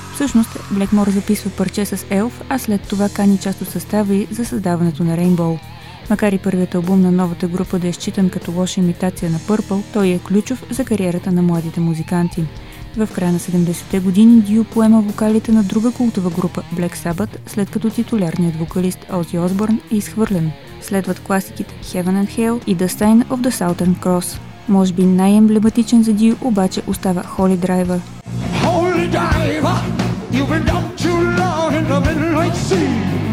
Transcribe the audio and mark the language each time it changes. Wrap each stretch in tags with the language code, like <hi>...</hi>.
<bg>Всъщност, Блекмор записва парче с Elf, а след това кани част от състава й за създаването на Rainbow. Макар и първият албум на новата група да е считан като лоша имитация на Purple, той е ключов за кариерата на младите музиканти. В края на 70-те години Дио поема вокалите на друга култова група Black Sabbath, след като титулярният вокалист Ози Осборн е изхвърлен. Следват класиките Heaven and Hell и The Sign of the Southern Cross. Може би най-емблематичен за Дио обаче остава Holy Driver.</bg> <en>Holy Driver, you've been down too long in the midnight sea.</en>